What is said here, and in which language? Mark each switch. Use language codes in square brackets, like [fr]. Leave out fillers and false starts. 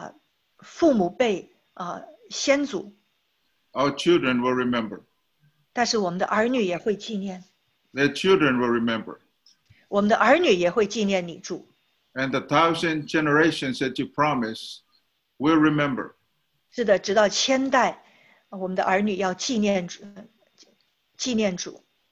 [zh] 不只是纪念我们父母辈先祖。 [en] Our children will remember. [zh] 但是我们的儿女也会纪念。 [en] Their children will remember. [zh] 我们的儿女也会纪念你主。 [en] And the 1,000 generations that you promise will remember. [zh] 是的，直到千代，我们的儿女要纪念主。